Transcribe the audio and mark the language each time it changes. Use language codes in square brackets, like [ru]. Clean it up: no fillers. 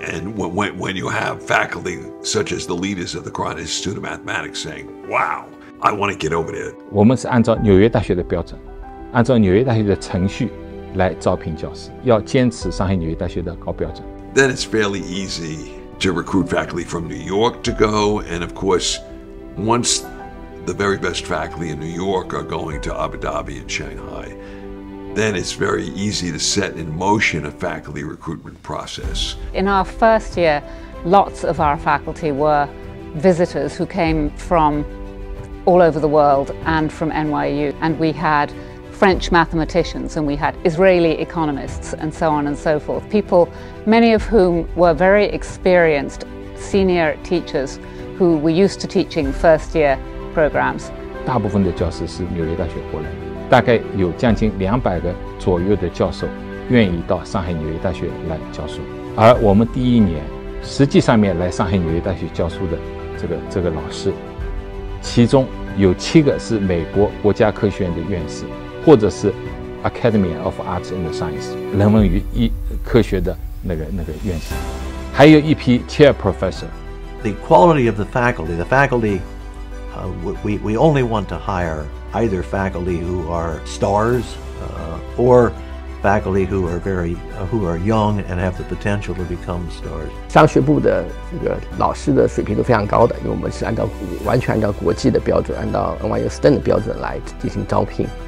[en] And when you have faculty such as the leaders of the Grand Institute of Mathematics saying, wow, I want to get over there. [zh] 我们是按照纽约大学的标准，按照纽约大学的程序来招聘教师，要坚持上海纽约大学的高标准。 [en] Then it's fairly easy to recruit faculty from New York to go, and of course, once the very best faculty in New York are going to Abu Dhabi and Shanghai, then it's very easy to set in motion a faculty recruitment process. In our first year, lots of our faculty were visitors who came from all over the world and from NYU, and we had French mathematicians, and we had Israeli economists, and so on and so forth. People, many of whom were very experienced senior teachers who were used to teaching first year programs. [zh] 大部分的教师是纽约大学过来，大概有将近200个左右的教授愿意到上海纽约大学来教书。而我们第一年实际上面来上海纽约大学教书的这个老师，其中有七个是美国国家科学院的院士，或者是 Academy of Arts and Science 人文与科学的那个院士，还有一批 Chair Professor。 [en] The quality of the faculty,we only want to hire either faculty who are stars, or faculty who are very young and have the potential to become stars. [zh] 商学部的这个老师的水平都非常高的，因为我们是完全按照国际的标准，按照 NYU STEM 的标准来进行招聘。